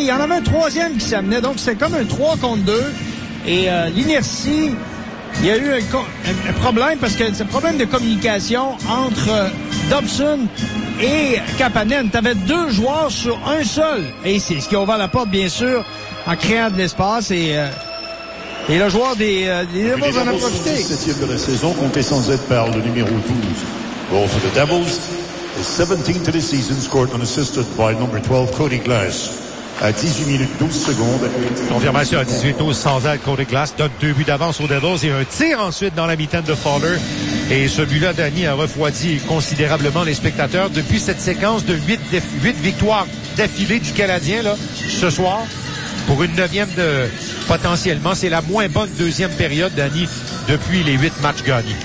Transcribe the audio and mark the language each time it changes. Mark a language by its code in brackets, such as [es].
[fr] Il y en avait un troisième qui s'amenait, donc c'était comme un 3 contre 2. Et l'inertie, il y a eu un problème, parce que c'est un problème de communication entre Dobson et Kapanen. Tu avais deux joueurs sur un seul. Et c'est ce qui a ouvert la porte, bien sûr, en créant de l'espace. Et le joueur des Devils en a profité. Le 17e de la saison, compté sans aide par le numéro 12. [en] Goal for the Devils. The 17th of the season scored unassisted by number 12, Cody Glass. [fr] À 18 minutes 12 secondes. Confirmation à 18-12 sans aide, Cody Glass donne deux buts d'avance aux Devils et un tir ensuite dans la mi-temps de Fowler. Et ce but-là, Danny, a refroidi considérablement les spectateurs. Depuis cette séquence de 8 victoires d'affilée du Canadien, là, ce soir, pour une 9e de potentiellement, c'est la moins bonne deuxième période, Danny, depuis les 8 matchs gagnés.